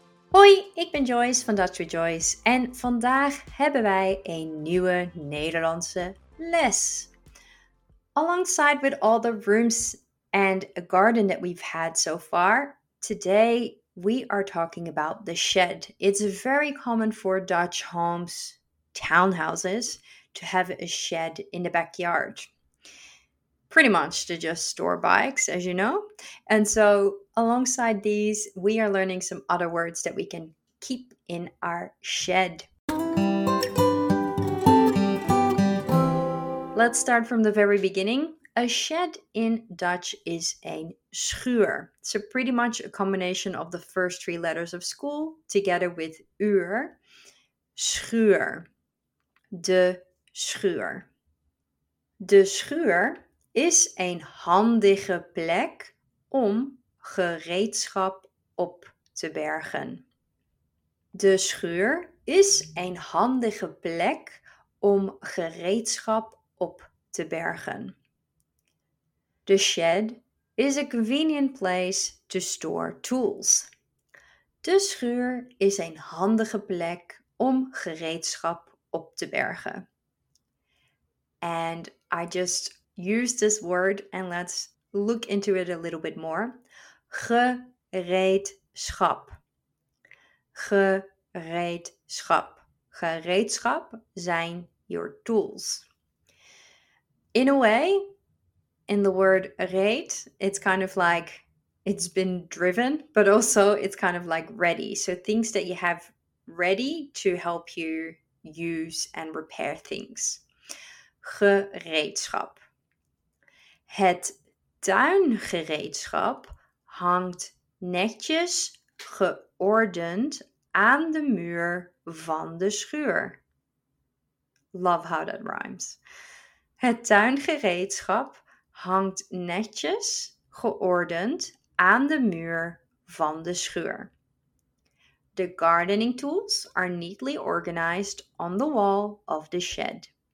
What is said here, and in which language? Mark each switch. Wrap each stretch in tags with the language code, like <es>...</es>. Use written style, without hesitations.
<nl>Hoi, ik ben Joyce van Dutch with Joyce en vandaag hebben wij een nieuwe Nederlandse les.</nl> <en>Alongside with all the rooms and a garden that we've had so far, today we are talking about the shed. It's very common for Dutch homes, townhouses, to have a shed in the backyard. Pretty much to just store bikes, as you know. And so alongside these, we are learning some other words that we can keep in our shed. Let's start from the very beginning. A shed in Dutch is een schuur. So pretty much a combination of the first three letters of school together with uur.</en> <nl>Schuur. De schuur. De schuur is een handige plek om gereedschap op te bergen. De schuur is een handige plek om gereedschap op te bergen.</nl> <en>The shed is a convenient place to store tools.</en> <nl>De schuur is een handige plek om gereedschap op te bergen.</nl> <en>And I just use this word and let's look into it a little bit more.</en> <nl>gereedschap. Gereedschap. Gereedschap zijn</nl> <en>your tools. In a way, in the word reed, it's kind of like it's been driven, but also it's kind of like ready. So things that you have ready to help you use and repair things.</en> <nl>Gereedschap. Het tuingereedschap hangt netjes geordend aan de muur van de schuur.</nl> <en>Love how that rhymes.</en> <nl>Het tuingereedschap hangt netjes geordend aan de muur van de schuur.</nl> <en>The gardening tools are neatly organized on the wall of the shed.</en>